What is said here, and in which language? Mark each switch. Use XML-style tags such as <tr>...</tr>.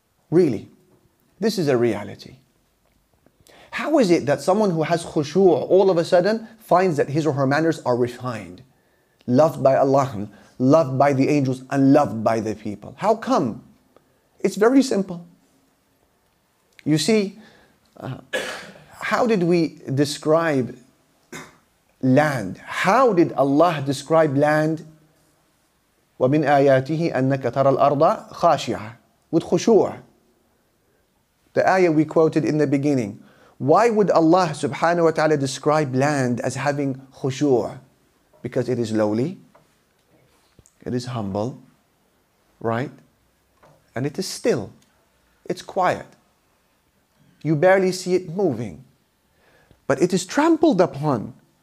<en>Really, this is a reality. How is it that someone who has khushu' all of a sudden finds that his or her manners are refined, loved by Allah, loved by the angels, and loved by the people? How come? It's very simple. You see, how did we describe land? How did Allah describe land?</en> <ar>وَمِنْ آيَاتِهِ أَنَّكَ تَرَى الْأَرْضَ خَاشِعًا</ar> <en>with khushu'. The ayah we quoted in the beginning. Why would Allah subhanahu wa ta'ala describe land as having khushu'? Because it is lowly, it is humble, right? And it is still, it's quiet. You barely see it moving, but it is trampled upon.</en>